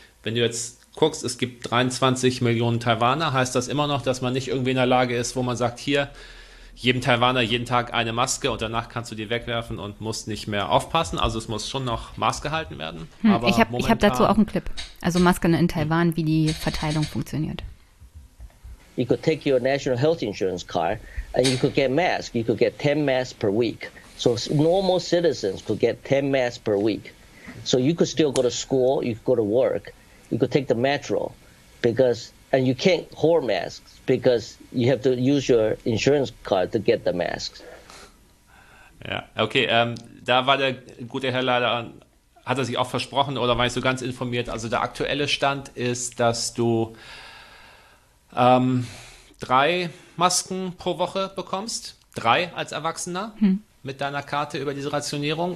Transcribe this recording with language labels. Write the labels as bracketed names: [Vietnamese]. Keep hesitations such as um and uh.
[German] Wenn du jetzt guckst, es gibt 23 Millionen Taiwaner, heißt das immer noch, dass man nicht irgendwie in der Lage ist, wo man sagt, hier, jedem Taiwaner jeden Tag eine Maske und danach kannst du die wegwerfen und musst nicht mehr aufpassen. Also es muss schon noch Maß gehalten werden. Hm, Aber ich habe hab dazu auch einen Clip. Also Masken in Taiwan, wie die Verteilung funktioniert. [English] you could take your national health insurance card and you could get masks. You could get 10 masks per week. So normal citizens could get 10 masks per week. So you could still go to school, you could go to work, you could take the metro because, and you can't hoard masks because you have to use your insurance card to get the masks. [German] Ja, okay, ähm, da war der gute Herr leider, hat er sich auch versprochen oder war ich so ganz informiert? Also der aktuelle Stand ist, dass du ähm, drei Masken pro Woche bekommst. Drei als Erwachsener hm. mit deiner Karte über diese Rationierung.